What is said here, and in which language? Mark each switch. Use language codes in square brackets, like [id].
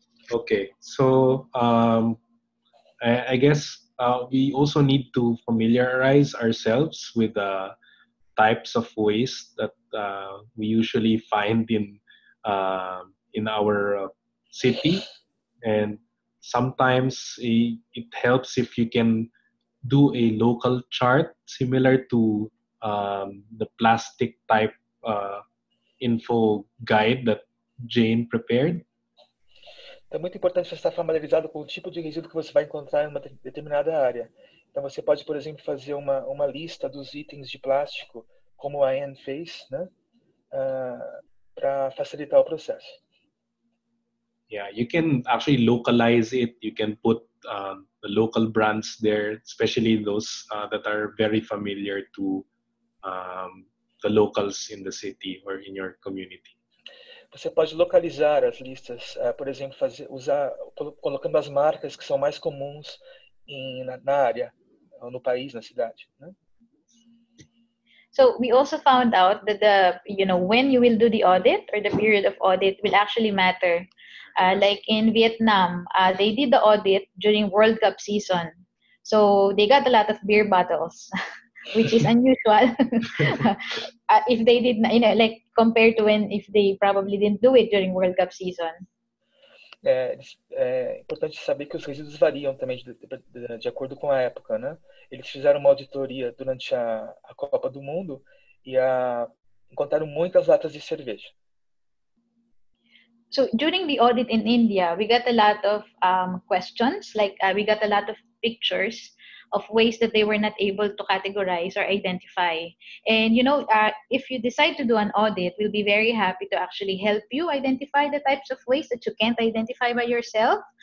[en] Okay, so I guess we also need to familiarize ourselves with the types of waste that we usually find in our city. And sometimes it helps if you can do a local chart similar to the plastic type info guide that Jane prepared. [pt] Então, é muito importante você estar familiarizado com o tipo de resíduo que você vai encontrar em uma determinada área. Então, você pode, por exemplo, fazer uma lista dos itens de plástico, como a Anne fez, né? Para facilitar o processo. [en] Yeah, you can actually localize it. You can put the local brands there, especially those that are very familiar to the locals in the city or in your community. [pt] Você pode localizar as listas, por exemplo, colocando as marcas que são mais comuns na área, ou no país, na cidade. Né? [en] So, we also found out that when you will do the audit, or the period of audit, will actually matter. Like in Vietnam, they did the audit during World Cup season. So, they got a lot of beer bottles. Which is unusual if they did, you know, like compared to if they probably didn't do it during World Cup season. [pt] É importante saber que os resíduos variam também de acordo com a época, né? Eles fizeram uma auditoria durante a Copa do Mundo e encontraram muitas latas de cerveja. [en] So during the audit in India, we got a lot of questions, like we got a lot of pictures of ways that they were not able to categorize or identify. And you know, if you decide to do an audit, we'll be very happy to actually help you identify the types of ways that you can't identify by yourself.